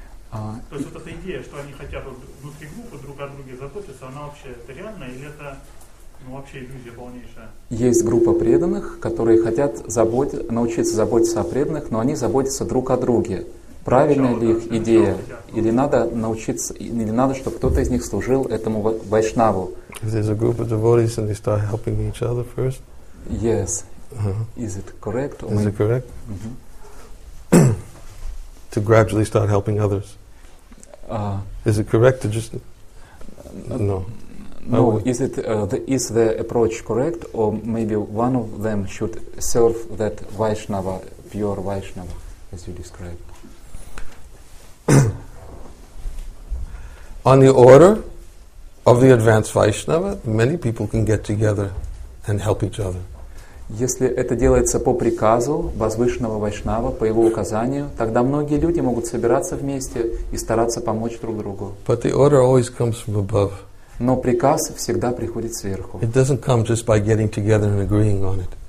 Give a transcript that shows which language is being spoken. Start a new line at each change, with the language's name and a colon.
Russian: То есть вот эта идея, что они хотят внутри группы друг о друге заботиться, она вообще это реально или это вообще иллюзия полнейшая? Есть группа преданных, которые хотят научиться заботиться о преданных, но они заботятся друг о друге. Правильная ли их идея? Или надо научиться, или надо, чтобы кто-то из них служил этому вайшнаву?
English: If there's a group of devotees and they start helping each other first? Yes. Uh-huh. Is it correct? Is it correct? To gradually start helping others. Is it correct to just... No. No, is it is the approach correct, or maybe one of them should serve that Vaishnava, pure Vaishnava, as you described? On the order of the advanced Vaishnava, many people can get together and help each other.
Russian: Если это делается по приказу возвышенного вайшнава, по его указанию, тогда многие люди могут собираться вместе и стараться помочь друг другу.
English: But the order always comes from above.
Russian: Но приказ всегда приходит сверху.
English: It doesn't come just by getting together and agreeing on it.